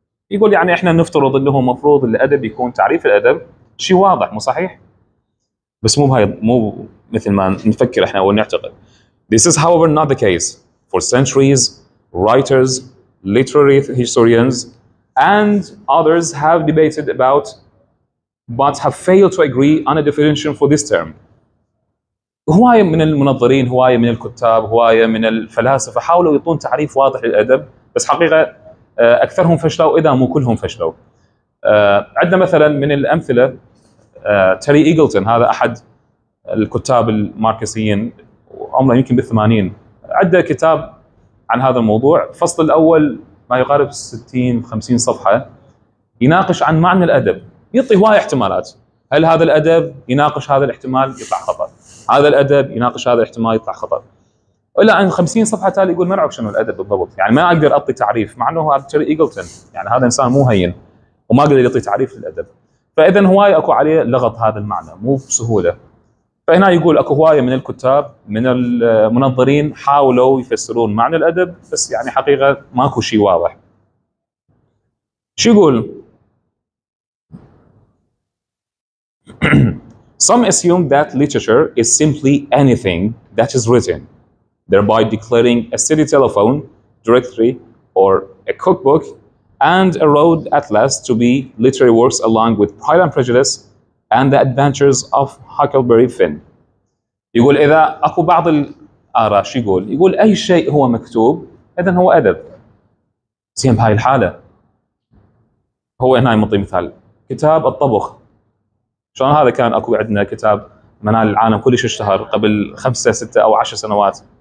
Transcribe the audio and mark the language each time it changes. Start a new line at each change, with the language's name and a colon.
Arabic: يقول يعني احنا نفترض انه مفروض الادب يكون تعريف الادب شيء واضح، مو صحيح؟ بس مو بهاي، مو مثل ما نفكر احنا ونعتقد.
English: This is however not the case. For centuries, writers, literary historians, and others have debated about but have failed to agree on a definition for this term.
Arabic: هواية من المنظرين، هواية من الكتاب، هواية من الفلاسفة حاولوا يعطون تعريف واضح للادب، بس حقيقة أكثرهم فشلوا إذا مو كلهم فشلوا. عندنا مثلا من الأمثلة تيري إيجلتون، هذا أحد الكتاب الماركسيين عمره يمكن بالثمانين، عنده كتاب عن هذا الموضوع، فصل الأول ما يقارب 60-50 صفحة يناقش عن معنى الأدب، يعطي هواي احتمالات، هل هذا الأدب يناقش هذا الاحتمال يطلع خطأ، هذا الأدب يناقش هذا الاحتمال يطلع خطأ، ولا عن 50 صفحة تالي يقول ما نعرف شنو الأدب بالضبط، يعني ما أقدر أعطي تعريف، مع أنه تيري إيجلتون يعني هذا إنسان مو هين وما قدر يعطي تعريف للأدب. فإذا هواي أكو عليه لغط هذا المعنى مو بسهولة. فهنا يقول أكو هواي من الكتاب من المنظرين حاولوا يفسرون معنى الأدب بس يعني حقيقة ماكو شيء واضح. شو يقول؟
English: Some assume that literature is simply anything that is written, thereby declaring a city telephone directory or a cookbook and a road atlas to be literary works along with Pride and Prejudice and the Adventures of Huckleberry Finn.
Arabic: يقول إذا أكو بعض الآراء شو يقول؟ يقول أي شيء هو مكتوب إذا هو أدب. زين بهاي الحالة هو هنا يعطي مثال كتاب الطبخ. شلون هذا كان أكو عندنا كتاب منال العالم كلش اشتهر قبل 5-6 أو 10 سنوات.